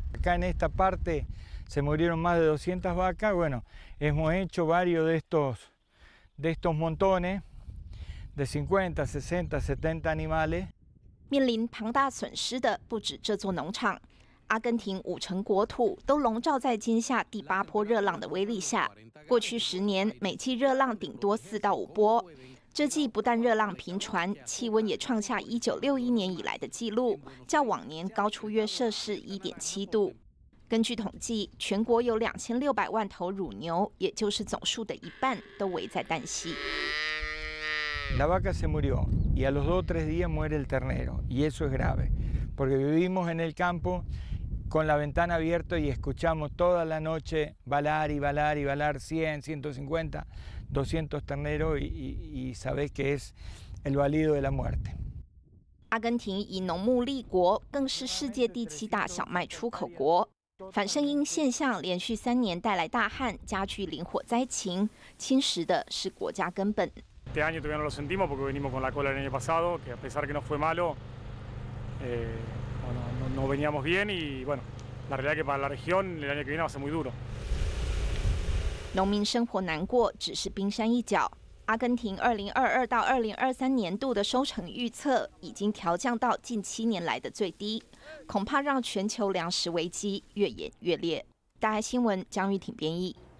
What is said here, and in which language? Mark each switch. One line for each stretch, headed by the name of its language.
Spanish: Acá en esta parte se murieron más de 200 vacas. Bueno, hemos hecho varios de estos montones de 50, 60, 70 animales.
Chinese: 面临庞大损失的不止这座农场。阿根廷50%国土都笼罩在今夏第八波热浪的威力下，过去10年每季热浪顶多4到5波，这季不但热浪频传，气温也创下1961年以来的纪录，较往年高出约摄氏1.7度。根据统计，全国有2600万头乳牛，也就是总数的一半，都危在旦夕。
Spanish: La vaca se murió y a los 2-3 días muere el ternero y eso es grave porque vivimos en el campo. Con la ventana abierta y escuchamos toda la noche balar y balar y balar 100, 150, 200 terneros y sabes que es el balido de la muerte.
Chinese: 阿根廷以农牧立国，更是世界第七大小麦出口国。反圣婴现象连续3年带来大旱，加剧林火灾情，侵蚀的是国家根本。
Spanish: Este año todavía no lo sentimos porque venimos con la cola el año pasado, que a pesar que no fue malo. No veníamos bien y bueno, la realidad es que para la región el año que viene va a ser muy duro.
Chinese: 农民生活难过只是冰山一角，阿根廷2022到2023年度的收成预测已经调降到近七年来的最低，恐怕让全球粮食危机越演越烈。大爱新闻江玉婷编译。